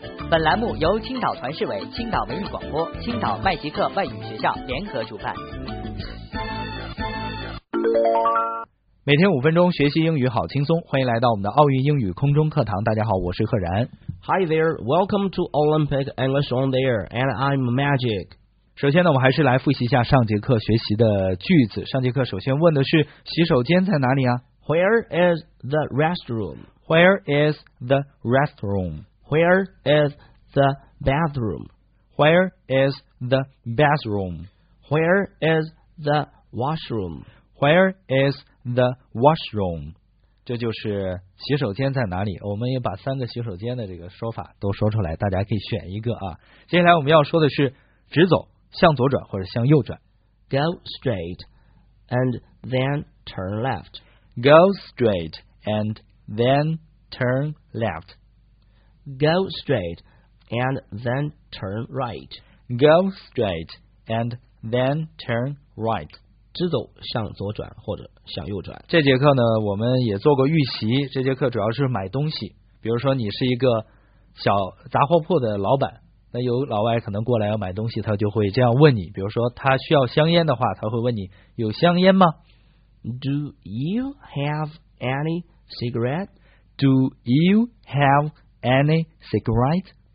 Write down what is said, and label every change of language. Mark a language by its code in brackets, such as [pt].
[zh] 本栏目由青岛团市委、青岛文艺广播、青岛麦吉克外语学校联合主办。每天五分钟学习英语好轻松，欢迎来到我们的奥运英语空中课堂。大家好，我是赫然。 [en] Hi there, welcome to Olympic English on the air, and I'm Magic. [zh] 首先呢，我们还是来复习一下上节课学习的句子。上节课首先问的是洗手间在哪里啊？ [en] Where is the restroom? Where is the restroom? Where is the bathroom? Where is the bathroom? Where is the washroom? Where is the washroom? [zh] 这就是洗手间在哪里，我们也把三个洗手间的这个说法都说出来，大家可以选一个啊。接下来我们要说的是直走，向左转或者向右转。 [en] Go straight and then turn left. Go straight and then turn left. Go straight and then turn right. Go straight and then turn right. [zh] 直走向左转或者向右转。这节课呢我们也做过预习，这节课主要是买东西，比如说你是一个小杂货铺的老板，那有老外可能过来要买东西，他就会这样问你，比如说他需要香烟的话，他会问你有香烟吗？ [en] Do you have any cigarette? Do you have any cigarette?